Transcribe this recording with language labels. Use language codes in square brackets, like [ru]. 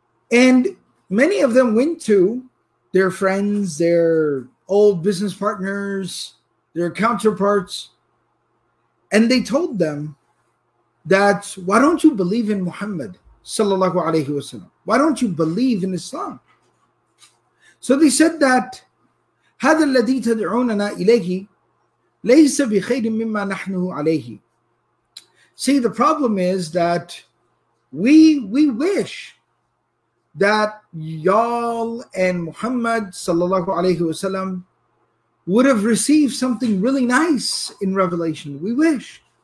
[en] And many of them went to their friends, their old business partners, their counterparts, and they told them that, why don't you believe in Muhammad sallallahu alayhi wasallam? Why don't you believe in Islam? So they said that [ar] هذا الذي تدعوننا إليه ليس بخير مما نحن عليه. [en] See, the problem is that we wish that y'all and Muhammad sallallahu alayhi wasallam would have received something really nice in revelation. We wish.